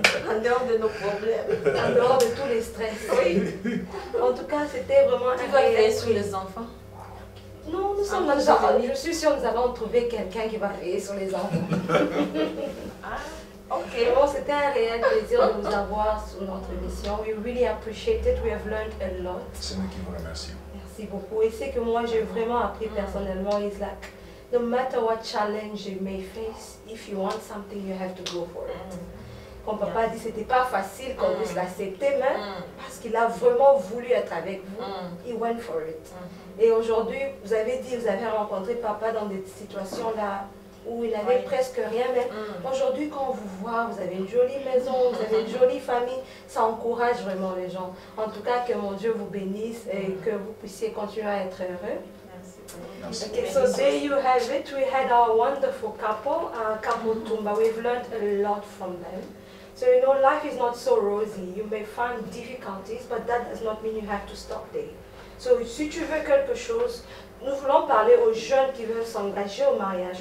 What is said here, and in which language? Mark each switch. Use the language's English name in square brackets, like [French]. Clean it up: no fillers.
[French] En dehors de nos problèmes. En dehors de tous les stress. Oui. En tout cas, c'était vraiment un réel. Tu vas sur les enfants? Non, nous sommes dans le jardin. Je suis sûre que nous avons trouvé quelqu'un qui va veiller sur les enfants. Ah, ok. Bon, c'était un réel plaisir de vous avoir sur notre mission. [English] We really appreciate it. We have learned a lot. [French] C'est nous qui vous remercions. Merci beaucoup. Et c'est que moi, j'ai vraiment appris personnellement, Islak. [English] No matter what challenge you may face, if you want something, you have to go for it. [French] Comme papa a dit, ce n'était pas facile qu'on puisse l'accepter, mais parce qu'il a vraiment voulu être avec vous, [English] he went for it. [French] Et aujourd'hui, vous avez dit, vous avez rencontré papa dans des situations là où il n'avait presque rien, mais aujourd'hui, quand on vous voit, vous avez une jolie maison, vous avez une jolie famille, ça encourage vraiment les gens. En tout cas, que mon Dieu vous bénisse et que vous puissiez continuer à être heureux. [English] Okay, so there you have it. We had our wonderful couple, Kapo Tumba. We've learned a lot from them. So you know, life is not so rosy. You may find difficulties, but that does not mean you have to stop there. [French] So si tu veux quelque chose, nous voulons parler aux jeunes qui veulent s'engager au mariage.